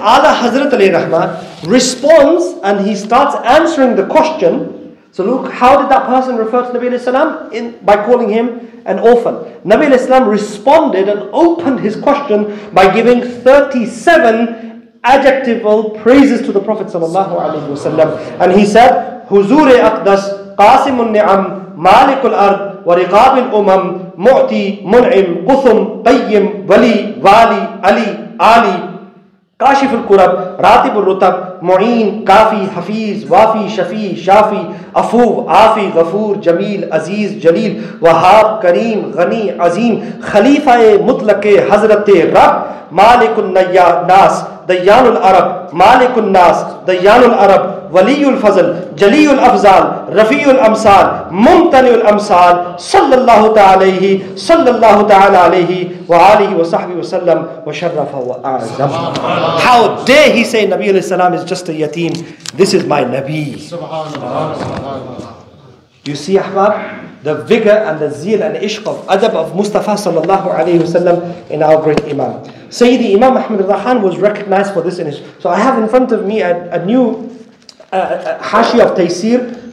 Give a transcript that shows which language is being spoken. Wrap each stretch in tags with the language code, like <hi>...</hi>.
<en>Ala Hazrat alayhi rahma responds, and he starts answering the question. So look, how did that person refer to Nabi alayhi salam? By calling him an orphan. Nabi alayhi salam responded and opened his question by giving 37 adjectival praises to the Prophet sallallahu alayhi wa sallam. And he said, Huzuri Aqdas Qasimun Ni'am</en> <ar>مالك الأرض ورقاب الأمم معطي منعم قثم قيم ولي والي علي آلي كاشف الكرب راتب الرتب معين كافي حفيظ وافي شفي شافي عفو عافي غفور جميل عزيز جليل وهاب كريم غني عظيم خليفة مطلق حضرت رب مالك الناس ديان العرب مالك الناس ديان العرب ولي الفضل جلي الافضال رفيع الامثال ممتن الامثال صلى الله تعالى عليه صلى الله تعالى عليه وآله وصحبه وسلم وشرف واعظم.</ar> <en>How dare he say Nabi alayhi salam is just a yateen? This is my Nabi. You see, Ahbab, the vigor and the zeal and ishq of adab of Mustafa sallallahu alayhi wa sallam in our great Imam. Sayyidi Imam Ahmed Rahan was recognized for this in his. So I have in front of me a new hashi of Taysir.</en>